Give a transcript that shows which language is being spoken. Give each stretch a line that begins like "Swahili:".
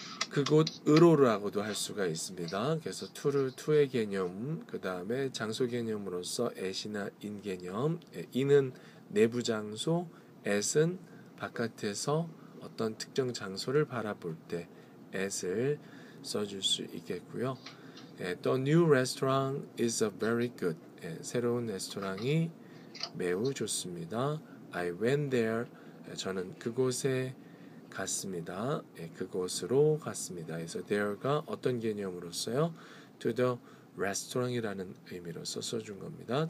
Korean: 그곳으로라고도 할 수가 있습니다. 그래서 to를 to의 개념, 그 다음에 장소 개념으로서 at이나 in 개념. 예, in은 내부 장소, at은 바깥에서 어떤 특정 장소를 바라볼 때 at을 써줄 수 있겠고요.
English: 예, the new restaurant is very good.
Korean: 예, 새로운 레스토랑이 매우 좋습니다.
English: I went there.
Korean: 예, 저는 그곳에 갔습니다. 예, 그곳으로 갔습니다. 그래서 there가 어떤 개념으로써요?
English: to the restaurant
Korean: 이라는 의미로서 써준 겁니다.